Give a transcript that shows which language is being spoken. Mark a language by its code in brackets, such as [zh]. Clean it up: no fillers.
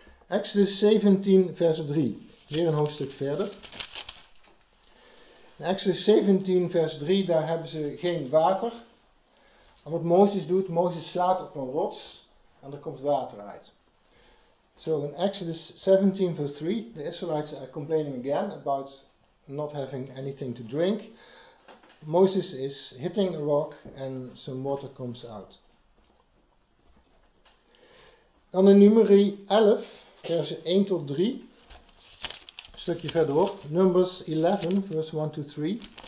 [nl] Exodus 17 vers 3, weer een hoofdstuk verder. In Exodus 17 vers 3, daar hebben ze geen water. En wat Mozes doet, Mozes slaat op een rots en er komt water uit. [en] So in Exodus 17 verse 3, the Israelites are complaining again about not having anything to drink. Moses is hitting a rock and some water comes out. [nl] Dan in Numeri 11, versen 1 tot 3, een stukje verderop. [en] Numbers 11, verse 1 to 3.